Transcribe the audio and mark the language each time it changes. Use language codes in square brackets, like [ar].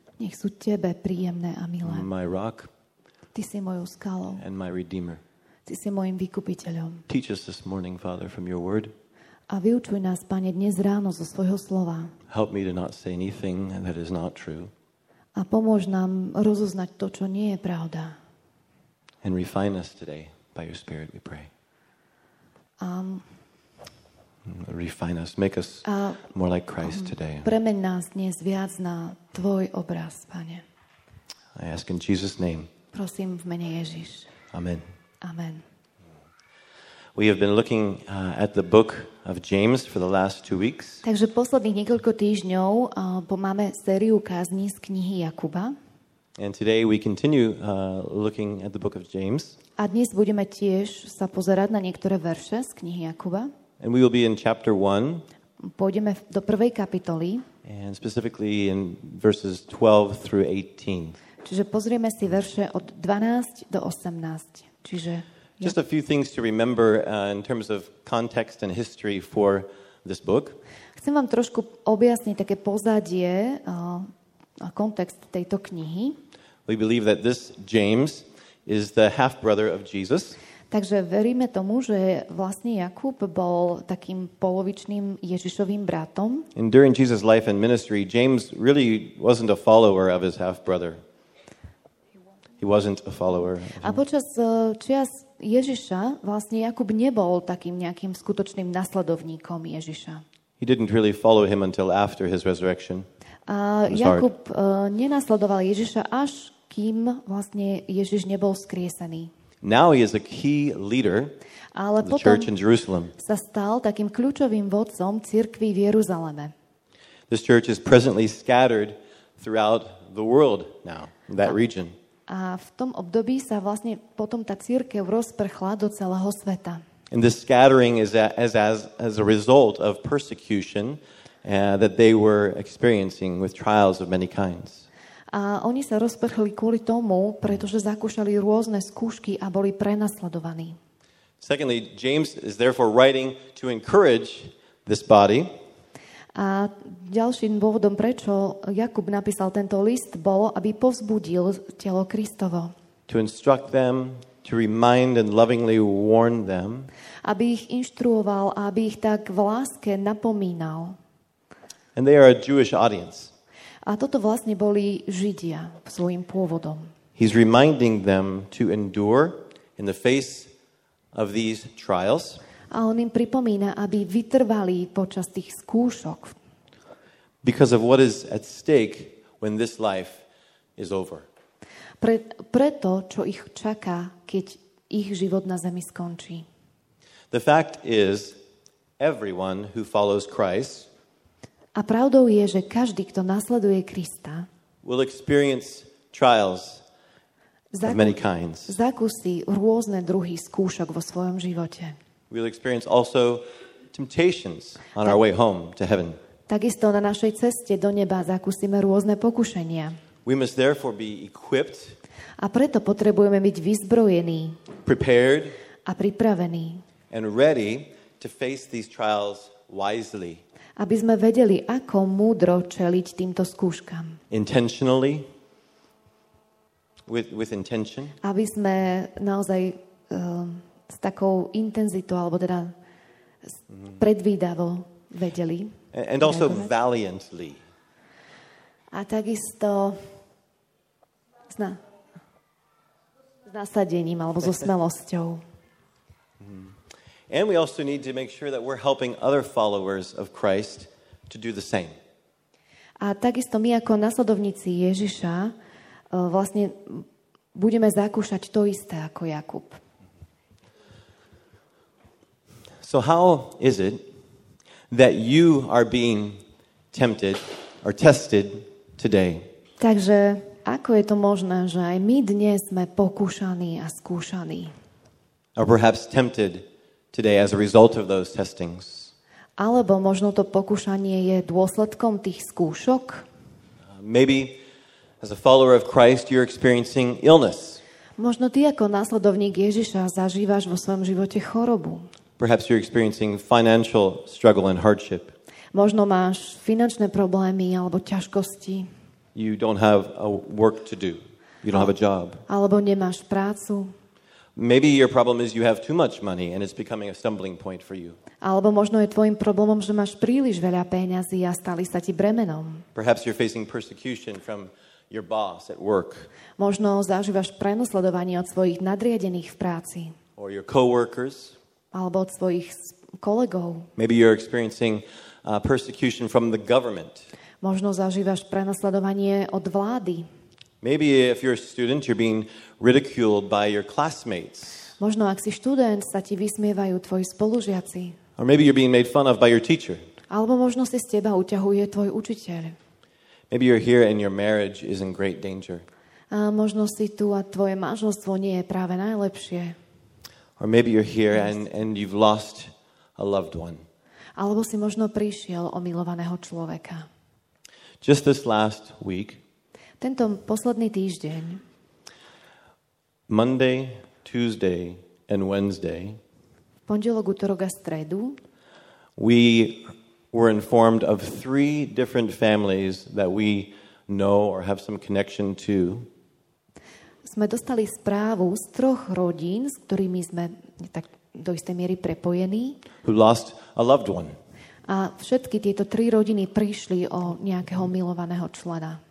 [sk] Nech sú tebe príjemné a milé. [en] My rock, [sk] ty si mojou skalou, [en] and my redeemer. [sk] Ty si môjim vykupiteľom. [en] Teach us this morning, Father, from your word. [sk] A vyučuj nás, Pane, dnes ráno zo svojho slova. [en] Help me to not say anything that is not true. [sk] A pomôž nám rozoznať to, čo nie je pravda. [en] And refine us today by your spirit, we pray. Refine us, make us more like Christ today. [sk] Premeň nás dnes viac na tvoj obraz, Pane. [en] I ask in Jesus' name. [sk] Prosím v mene Ježiš. [en] Amen. [sk] Amen. [en] We have been looking at the book of James for the last 2 weeks. [sk] Takže posledných niekoľko týždňov máme sériu kázni z knihy Jakuba. [en] And today we continue looking at the book of James. [sk] A dnes budeme tiež sa pozerať na niektoré verše z knihy Jakuba. [en] And we will be in chapter 1. [sk] Pôjdeme do prvej kapitoly. [en] And specifically in verses 12 through 18. [sk] Čiže pozrieme si verše od 12 do 18. Čiže, [en] just a few things to remember in terms of context and history for this book. [sk] Chcem vám trošku objasniť také pozadie a kontext tejto knihy. [en] We believe that this James is the half brother of Jesus. [sk] Takže veríme tomu, že vlastne Jakub bol takým polovičným Ježišovým bratom. [en] And during Jesus' life and ministry, James really wasn't a follower of his half brother. He wasn't a follower. [sk] A počas čias Ježiša vlastne Jakub nebol takým nejakým skutočným nasledovníkom Ježiša. [en] He didn't really follow him until after his resurrection. [sk] A Jakub nenasledoval Ježiša, až kým vlastne Ježiš nebol skriesený. [en] Now he is a key leader of the church in Jerusalem. [sk] Ale potom sa stal takým kľúčovým vodcom cirkvi v Jeruzaleme. [en] This church is presently scattered throughout the world now, that region. [sk] A v tom období sa vlastne potom tá cirkev rozprchla do celého sveta. [en] And this scattering is as a result of persecution that they were experiencing with trials of many kinds. [sk] A oni sa rozprchli kvôli tomu, pretože zakúšali rôzne skúšky a boli prenasledovaní. [en] Secondly, James is therefore writing to encourage this body. [sk] A ďalším dôvodom, prečo Jakub napísal tento list, bolo, aby povzbudil telo Kristovo. [en] To instruct them, to remind and lovingly warn them. [sk] Aby ich inštruoval a aby ich tak v láske napomínal. [en] And they are a Jewish audience. [sk] A toto vlastne boli Židia svojim pôvodom. [en] He's reminding them to endure in the face of these trials. [sk] A on im pripomína, aby vytrvali počas tých skúšok. [en] Because of what is at stake when this life is over. [sk] Preto, čo ich čaká, keď ich život na zemi skončí. [en] The fact is, everyone who follows Christ, [sk] a pravdou je, že každý, kto nasleduje Krista, [en] will experience trials of many kinds. [sk] Zakusí rôzne druhy skúšok vo svojom živote. [en] We'll experience also temptations on our way home to heaven. [sk] Takisto na našej ceste do neba zakúsime rôzne pokušenia. [en] We must therefore be equipped. [sk] A preto potrebujeme byť vyzbrojení. [en] Prepared. [sk] A pripravení. [en] And ready to face these trials wisely. [sk] Aby sme vedeli, ako múdro čeliť týmto skúškam. [en] Intentionally. With intention. [sk] Aby sme naozaj s takou intenzitou, alebo teda predvídavo vedeli. [en] And also valiantly. [sk] A takisto s nasadením, alebo so smelosťou. [en] And we also need to make sure that we're helping other followers of Christ to do the same. [sk] A takisto my ako nasledovníci Ježiša vlastne budeme zakúšať to isté ako Jakub. [en] So how is it that you are being tempted or tested today? [sk] Takže ako je to možné, že aj my dnes sme pokúšaní a skúšaní? [en] Or perhaps tempted today as a result of those testings. [sk] Alebo možno to pokúšanie je dôsledkom tých skúšok. [en] Maybe as a follower of Christ you're experiencing illness. [sk] Možno ty ako nasledovník Ježiša zažívaš vo svojom živote chorobu. [en] Perhaps you're experiencing financial struggle and hardship. [sk] Možno máš finančné problémy alebo ťažkosti. [en] You don't have a work to do. You don't have a job. [sk] Alebo nemáš prácu. [en] Maybe your problem is you have too much money and it's becoming a stumbling point for you. [sk] Alebo možno je tvojim problémom, že máš príliš veľa peňazí a stali sa ti bremenom. [en] Perhaps you're facing persecution from your boss at work. [sk] Možno zažívaš prenasledovanie od svojich nadriadených v práci. [en] Or your coworkers. [sk] Alebo od svojich kolegov. [en] Maybe you're experiencing persecution from the government. [sk] Možno zažívaš prenasledovanie od vlády. [en] Maybe if you're a student, you're being ridiculed by your classmates. [sk] Možno ak si študent, sa ti vysmievajú tvoji spolužiaci. [en] Or maybe you're being made fun of by your teacher. [sk] Alebo možno si z teba uťahuje tvoj učiteľ. [en] Maybe you're here and your marriage is in great danger. [sk] A možno si tu a tvoje manželstvo nie je práve najlepšie. [en] Or maybe you're here and you've lost a loved one. [sk] Alebo si možno prišiel o milovaného človeka. [en] Just this last week. [sk] Tento posledný týždeň. [en] Monday, Tuesday and Wednesday. [sk] Pondelok, utorok a stredu. [en] We were informed of three different families that we know or have some connection to. [sk] Sme dostali správu z troch rodín, s ktorými sme tak do istej miery prepojení. [en] Who lost a loved one. [sk] A všetky tieto tri rodiny prišli o nejakého milovaného člena.